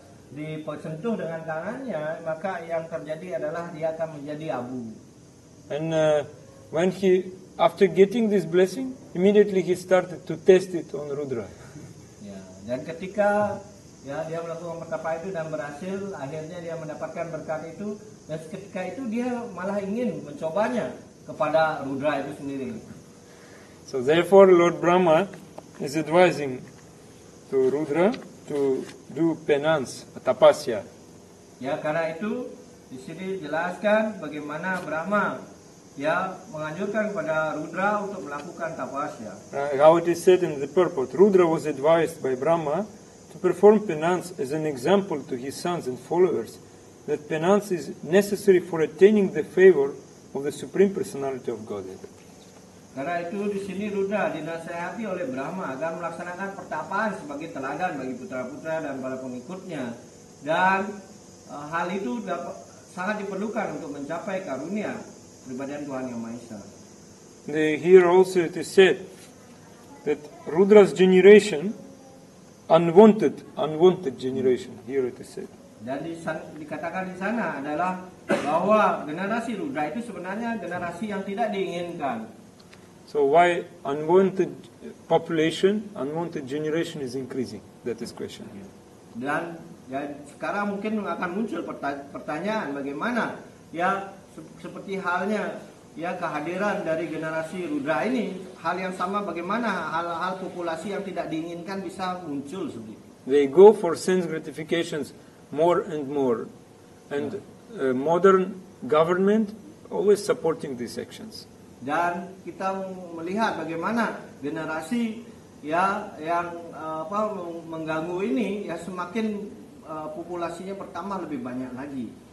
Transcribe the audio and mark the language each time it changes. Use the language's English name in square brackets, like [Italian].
[Indonesian] disentuh dengan tangannya, maka yang terjadi adalah dia akan menjadi abu. [English] And when he after getting this blessing, immediately he started to test it on Rudra. [Indonesian] Ya, dan ketika ya dia melakukan pertapa itu dan berhasil, akhirnya dia mendapatkan berkat itu, dan ketika itu dia malah ingin mencobanya kepada Rudra itu sendiri. [English] So therefore Lord Brahma is advising to Rudra to do penance, tapasya. [Indonesian] Ya, karena itu di sini jelaskan bagaimana Brahma ya menganjurkan kepada Rudra untuk melakukan tapasya. [English] How it is said in the purport, Rudra was advised by Brahma to perform penance as an example to his sons and followers that penance is necessary for attaining the favor of the Supreme Personality of Godhead. [Indonesian] Karena itu di sini Rudra dinasehati oleh Brahma agar melaksanakan pertapaan sebagai teladan bagi putra-putra dan para pengikutnya, dan hal itu sangat diperlukan untuk mencapai karunia pribadian Tuhan Yang Maha Esa. [English] Here also it is said that Rudra's generation, unwanted generation. Here it is said. [Indonesian] Dan dikatakan di sana adalah bahwa generasi Rudra itu sebenarnya generasi yang tidak diinginkan. [English] So why unwanted population, unwanted generation is increasing? That is question. [Indonesian] Dan ya, sekarang mungkin akan muncul pertanyaan bagaimana ya seperti halnya ya kehadiran dari generasi Rudra ini, hal yang sama bagaimana hal-hal populasi yang tidak diinginkan bisa muncul seperti itu. [English] They go for sense gratifications more and more, and modern government always supporting these actions. [Indonesian] Dan kita melihat bagaimana generasi ya yang apa mengganggu ini ya semakin populasinya bertambah lebih banyak lagi.